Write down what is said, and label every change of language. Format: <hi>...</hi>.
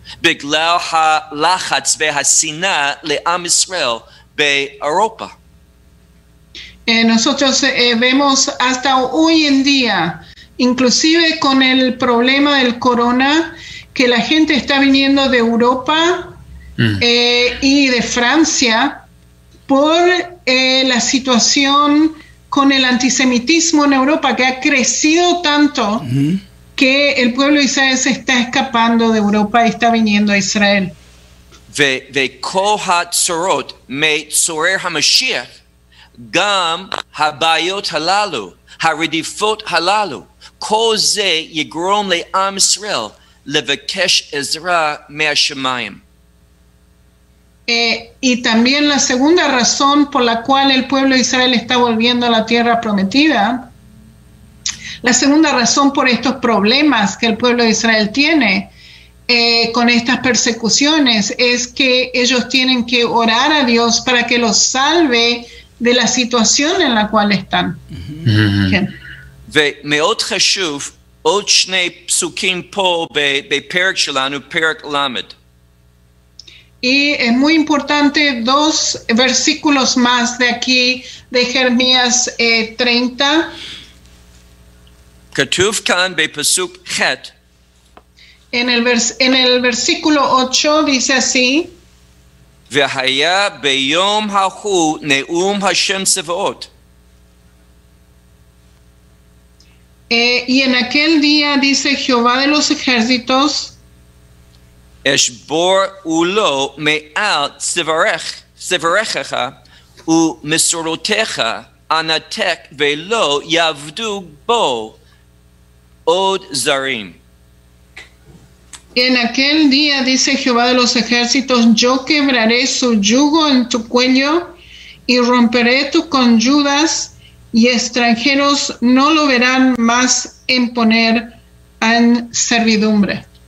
<he>בגלל הלחץ והשנאה לעם ישראל באירופה.</he> <es>Nosotros vemos hasta hoy en día, inclusive con el problema del corona, que la gente está viniendo de Europa y de Francia por la situación con el antisemitismo en Europa, que ha crecido tanto que el pueblo israelí se está escapando de Europa y está viniendo a Israel.</es> <he>De kol ha-tzorot me tzorer ha-mashiach, גם הבעיות הללו, הרדיפות הללו, כל זה יגרום לעם ישראל לבקש עזרה מהשמיים.</he> <es>Y también la segunda razón por la cual el pueblo de Israel está volviendo a la tierra prometida, la segunda razón por estos problemas que el pueblo de Israel tiene con estas persecuciones, es que ellos tienen que orar a Dios para que los salve de la situación en la cual están.</es> <he>ומאוד חשוב, עוד שני פסוקים פה בפרק שלנו, פרק למד.</he> <es>Y es muy importante dos versículos más de aquí, de Jeremías 30.</es> <he>כתוב כאן בפסוק ח'.</he> <es>En el versículo 8 dice así.</es> <he>והיה ביום ההוא נאום השם צבאות.</he> <es>Y en aquel día dice Jehová de los ejércitos.</es> <he>אשבור ולא מעל צברך ומסורותיך אנתק ולא יעבדו בו עוד זרים.</he> <es>En aquel día, dice Jehová de los ejércitos, yo quebraré su yugo en tu cuello y romperé tus conyugas y extranjeros no lo verán más en poner en servidumbre.</es>